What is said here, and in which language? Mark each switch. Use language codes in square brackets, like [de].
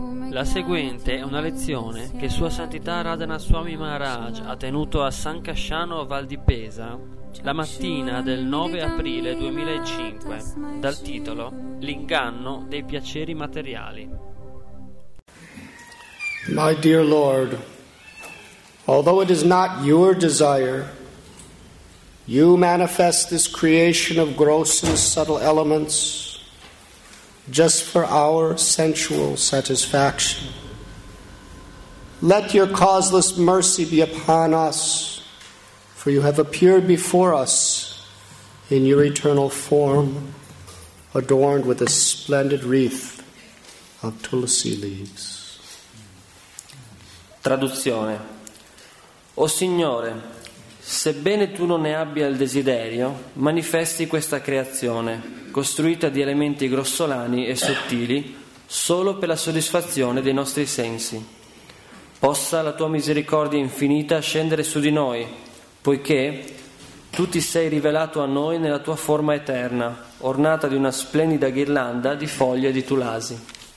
[it] La seguente è una lezione che Sua Santità Radhanaswami Maharaj ha tenuto a San Casciano Val di Pesa la mattina del 9 aprile 2005 dal titolo L'inganno dei piaceri materiali. [en] My dear Lord, although it is not your desire, you manifest this creation of gross and subtle elements just for our sensual satisfaction. Let your causeless mercy be upon us, for you have appeared before us in your eternal form, adorned with a splendid wreath of tulsi leaves. [it] Traduzione. O Signore, sebbene tu non ne abbia il desiderio, manifesti questa creazione, costruita di elementi grossolani e sottili, solo per la soddisfazione dei nostri sensi. Possa la tua misericordia infinita scendere su di noi, poiché tu ti sei rivelato a noi nella tua forma eterna, ornata di una splendida ghirlanda di foglie di tulasi.